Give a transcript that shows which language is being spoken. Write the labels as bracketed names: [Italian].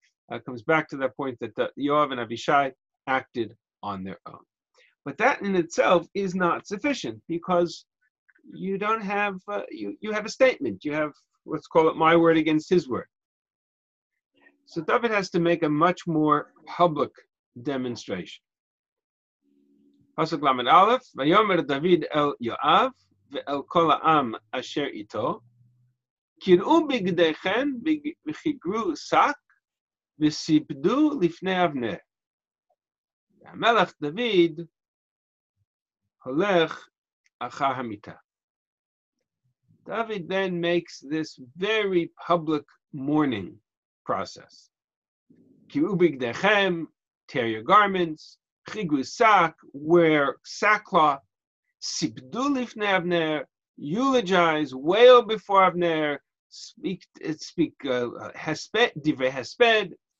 [English] It comes back to that point that Yoav and Avishai acted on their own. But that in itself is not sufficient because you don't have, you have a statement. You have, let's call it my word against his word. So David has to make a much more public demonstration. [Hebrew] Pasuk Lamed Aleph, Vayomer David el Yoav, ואל כל העם אשר איתו, קיראו בגדיכם וחיגרו שק וסיפדו לפני אבנר. והמלך דוד הולך אחר המיטה. [English] David then makes this very public mourning process. [Hebrew] קיראו בגדיכם, [English] tear your garments, [Hebrew] חיגרו שק, [English] wear sackcloth, Sibdu lifnei Avner, eulogize, wail before Avner, speak, divrei hesped,